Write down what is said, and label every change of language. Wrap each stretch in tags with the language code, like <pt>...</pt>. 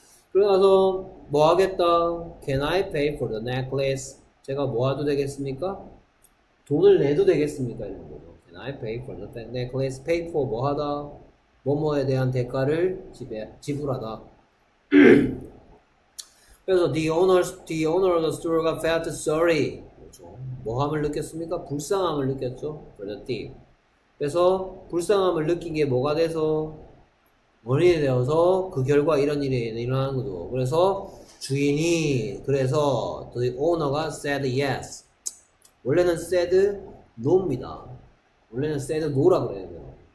<ko>그러고 나서 뭐 하겠다?</ko> <en>Can I pay for the necklace?</en> <ko>제가 모아도 되겠습니까? 돈을 내도 되겠습니까? 이런 거죠.</ko> <en>Can I pay for the necklace?</en> <ko>Pay for 뭐 하다? 뭐뭐에 대한 대가를 지불하다.</ko> <en>그래서 the owner of the store got felt sorry.</en> <ko>그렇죠. 뭐함을 느꼈습니까? 불쌍함을 느꼈죠.</ko> <en>For the thief.</en> <ko>그래서 불쌍함을 느낀 게 뭐가 돼서 원인이 되어서 그 결과 이런 일이 일어나는 거죠. 그래서 주인이 그래서 the owner가</ko> <en>said yes.</en> <ko>원래는</ko> <en>said no</en> <ko>입니다. 원래는 said no라고 그래야 돼요.</ko>